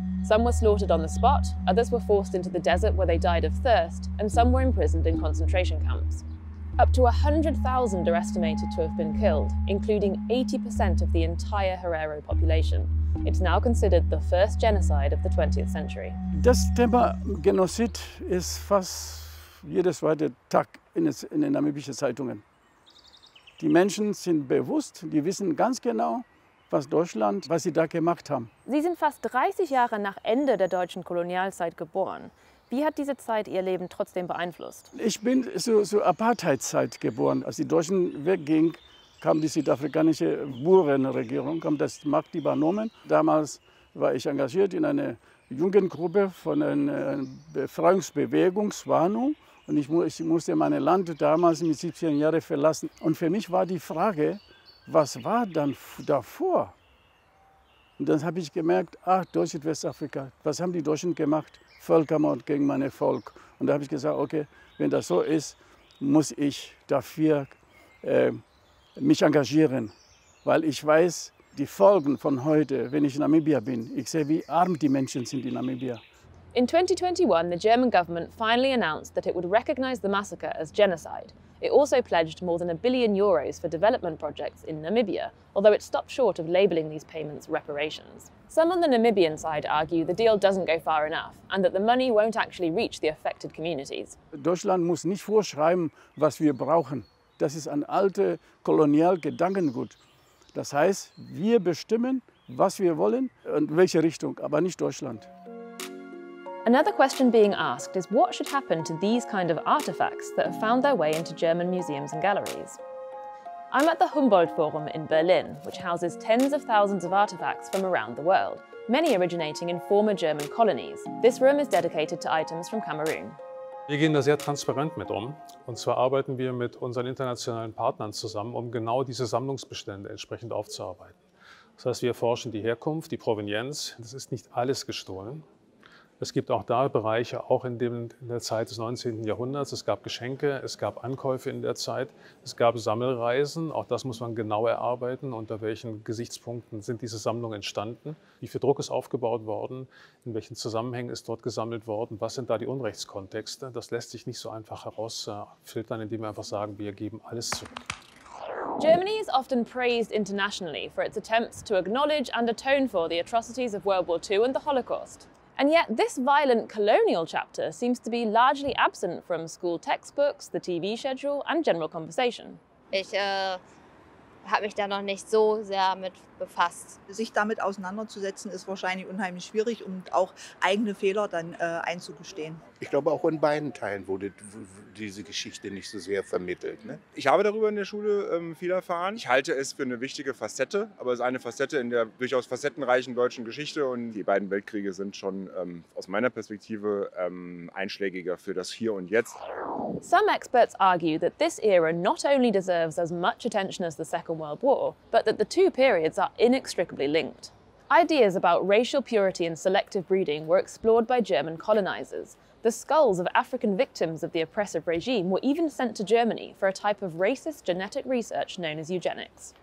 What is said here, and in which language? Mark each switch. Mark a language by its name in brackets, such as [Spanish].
[English] Some were slaughtered on the spot, others were forced into the desert where they died of thirst, and some were imprisoned in concentration camps. Up to 100,000 are estimated to have been killed, including 80% of the entire Herero population. It's now considered the first genocide of the 20th century. [German] Das Thema Genozid ist fast jedes zweite Tag in den namibischen Zeitungen. Die Menschen sind bewusst, die wissen ganz genau, was Deutschland, was sie da gemacht haben. Sie sind fast 30 Jahre nach Ende der deutschen Kolonialzeit geboren. Wie hat diese Zeit ihr Leben trotzdem beeinflusst? Ich bin zur Apartheidzeit geboren. Als die Deutschen weggingen, kam die südafrikanische Boerenregierung, haben das Macht übernommen. Damals war ich engagiert in einer Jugendgruppe von einer Befreiungsbewegungswarnung. Und ich musste mein Land damals mit 17 Jahren verlassen. Und für mich war die Frage, was war dann davor? Und dann habe ich gemerkt, ach, Deutschland, Westafrika, was haben die Deutschen gemacht? Völkermord gegen mein Volk. Und da habe ich gesagt, okay, wenn das so ist, muss ich dafür mich engagieren. Weil ich weiß, die Folgen von heute, wenn ich in Namibia bin, ich sehe, wie arm die Menschen sind in Namibia. [English] In 2021, the German government finally announced that it would recognize the massacre as genocide. It also pledged more than €1 billion for development projects in Namibia, although it stopped short of labeling these payments reparations. Some on the Namibian side argue the deal doesn't go far enough and that the money won't actually reach the affected communities. [German] Deutschland muss nicht vorschreiben, was wir brauchen. Das ist ein alter Kolonialgedankengut. Das heißt, wir bestimmen, was wir wollen und welche Richtung, aber nicht Deutschland. [English] Another question being asked is what should happen to these kind of artifacts that have found their way into German museums and galleries. I'm at the Humboldt Forum in Berlin, which houses tens of thousands of artifacts from around the world, many originating in former German colonies. This room is dedicated to items from Cameroon. [German] Wir gehen da sehr transparent mit um, und zwar arbeiten wir mit unseren internationalen Partnern zusammen, um genau diese Sammlungsbestände entsprechend aufzuarbeiten. Das heißt, wir erforschen die Herkunft, die Provenienz. Das ist nicht alles gestohlen. Es gibt auch da Bereiche, auch in der Zeit des 19. Jahrhunderts. Es gab Geschenke, es gab Ankäufe in der Zeit, es gab Sammelreisen. Auch das muss man genau erarbeiten, unter welchen Gesichtspunkten sind diese Sammlungen entstanden. Wie viel Druck ist aufgebaut worden? In welchen Zusammenhängen ist dort gesammelt worden? Was sind da die Unrechtskontexte? Das lässt sich nicht so einfach herausfiltern, indem wir einfach sagen, wir geben alles zurück. [English] Germany is often praised internationally for its attempts to acknowledge and atone for the atrocities of World War II and the Holocaust. And yet this violent colonial chapter seems to be largely absent from school textbooks, the TV schedule and general conversation. [German] Ich habe mich da noch nicht so sehr mit befasst. Sich damit auseinanderzusetzen ist wahrscheinlich unheimlich schwierig und auch eigene Fehler dann einzugestehen. Ich glaube, auch in beiden Teilen wurde diese Geschichte nicht so sehr vermittelt. Ne? Ich habe darüber in der Schule viel erfahren. Ich halte es für eine wichtige Facette, aber es ist eine Facette in der durchaus facettenreichen deutschen Geschichte. Und die beiden Weltkriege sind schon aus meiner Perspektive einschlägiger für das Hier und Jetzt. [English] Some experts argue that this era not only deserves as much attention as the Second World War, but that the two periods are inextricably linked. Ideas about racial purity and selective breeding were explored by German colonizers. The skulls of African victims of the oppressive regime were even sent to Germany for a type of racist genetic research known as eugenics.